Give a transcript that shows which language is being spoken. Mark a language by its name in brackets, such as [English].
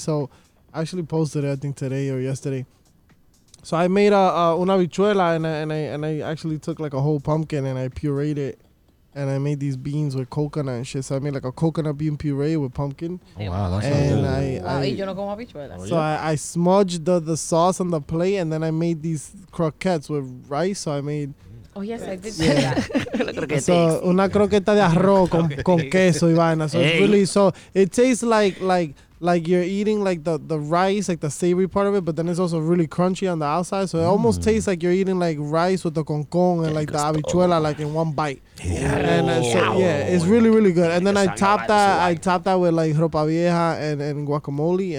[English] So I actually posted it, I think, today or yesterday. So I made [Spanish] una habichuela [English] and I actually took like a whole pumpkin and I pureed it. And I made these beans with coconut and shit. So I made like a coconut bean puree with pumpkin. Oh, wow, that's good. I smudged the sauce on the plate, and then I made these croquettes with rice. So I made. Oh yes, I did. Yeah. [Spanish] So una croqueta de arroz con queso y vaina. [English] So it's really, so it tastes like you're eating like the rice, like the savory part of it, but then it's also really crunchy on the outside. So it almost tastes like you're eating like rice with the concon and like the habichuela, like in one bite. Yeah. And so, yeah, it's really, really good. And then I topped that with like ropa vieja and guacamole.